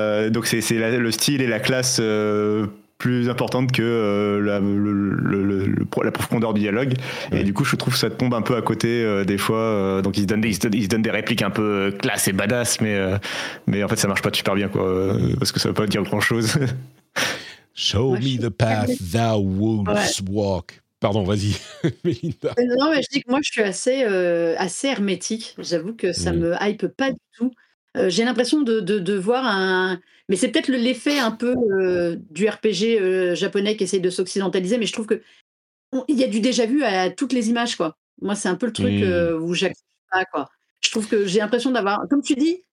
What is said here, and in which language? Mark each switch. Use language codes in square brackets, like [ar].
[fr] Donc, c'est le style et la classe. Plus importante que la profondeur du dialogue. Ouais. Et du coup, je trouve que ça tombe un peu à côté des fois. Donc, ils se donnent des répliques un peu classe et badass, mais en fait, ça marche pas super bien, quoi, parce que ça veut pas dire grand chose. [en] Show me the path thou wouldst walk. [fr] Pardon, vas-y. Non, mais je dis que moi, je suis assez hermétique. J'avoue que ça me hype pas du tout. J'ai l'impression de voir un... Mais c'est peut-être l'effet un peu du RPG japonais qui essaye de s'occidentaliser, mais je trouve qu'il y a du déjà-vu à toutes les images, quoi. Moi, c'est un peu le truc où j'accroche pas, quoi. Je trouve que j'ai l'impression d'avoir... Comme tu dis,